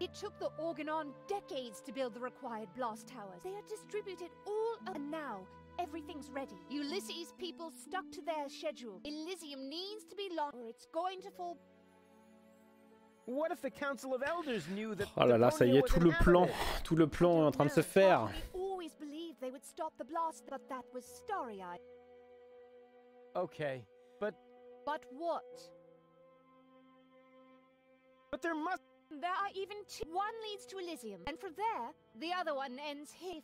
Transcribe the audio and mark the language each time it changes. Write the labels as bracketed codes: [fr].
[en] It took the Organon decades to build the required blast towers. They are distributed all over now. Everything's ready. Ulysses' people stuck to their schedule. Elysium needs to be long or it's going to fall. What if the Council of Elders knew that... [fr] Oh là là, ça y est, tout le plan est en train de se faire. [en] We always believed they would stop the blast, but that was starry-eyed. Okay, but... But what? But there must... There are even two. One leads to Elysium, and from there, the other one ends here.